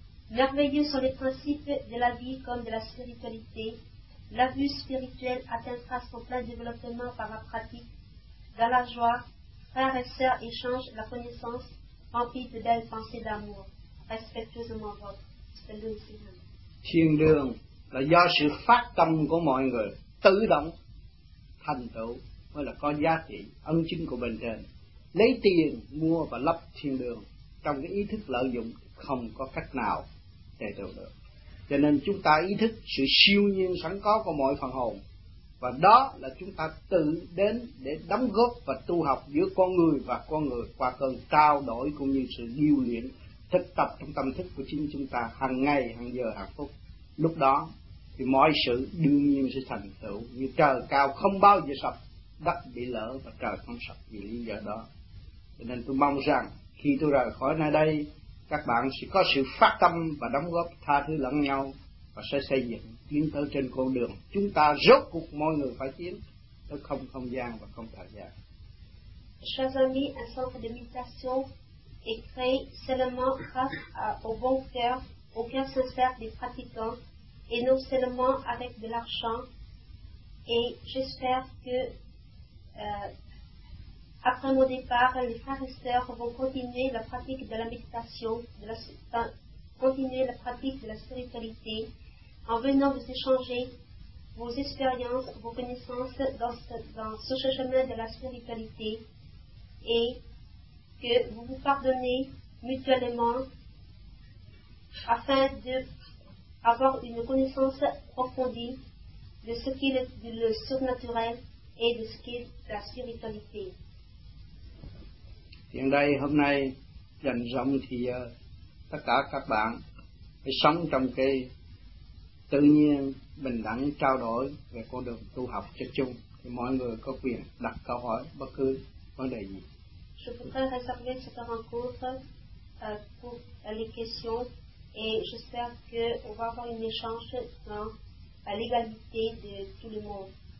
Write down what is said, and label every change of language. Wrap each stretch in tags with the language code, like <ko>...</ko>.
<fr>Merveilleux sont les principes de la vie comme de la spiritualité. La vue spirituelle atteindra son plein développement par la pratique. Dans la joie, frères et sœurs échangent la connaissance remplie de belles pensées d'amour. Respectueusement, votre. C'est le signe.</fr> <vi>Thiền đường là do sự phát tâm của mọi người tự động thành tựu mới là có giá trị ân chứng của bên trên. Lấy tiền mua và lắp thiền đường trong cái ý thức lợi dụng không có cách nào để được được. Cho nên chúng ta ý thức sự siêu nhiên sẵn có của mọi phần hồn, và đó là chúng ta tự đến để đóng góp và tu học giữa con người và con người qua cơn trao đổi cũng như sự điều luyện thực tập trong tâm thức của chính chúng ta hàng ngày, hàng giờ, hàng phút. Lúc đó thì mọi sự đương nhiên sẽ thành tựu, như trời cao không bao giờ sập, đất bị lỡ và trời không sập vì lý do đó. Cho nên tôi mong rằng khi tôi rời khỏi nơi đây, các bạn sẽ có sự phát tâm và đóng góp tha thứ lẫn nhau. và sẽ xây dựng tiến tới trên con đường chúng ta rốt cuộc mọi người phải tiến tới không không gian và không thời gian.</vi> <fr>Chers amis, un centre de méditation est créé seulement grâce au bon cœur, au cœur sincère des pratiquants, et non seulement avec de l'argent. Et j'espère que, après mon départ, les frères et sœurs vont continuer la pratique de la méditation, continuer la pratique de la spiritualité, en venant vous échanger vos expériences, vos connaissances dans ce chemin de la spiritualité. Et que vous vous pardonnez mutuellement afin d'avoir une connaissance approfondie de ce qui est le surnaturel et de ce qui est la spiritualité.</fr> <vi>Hiện đây, hôm nay, dành rộng thì tất cả các bạn phải sống trong cái tự nhiên bình đẳng trao đổi về con đường tu học cho chung. Thì mọi người có quyền đặt câu hỏi bất cứ vấn đề gì.</vi> <fr>Je voudrais réserver cette rencontre pour les questions et j'espère qu'on va avoir un échange dans l'égalité de tout le monde.</fr>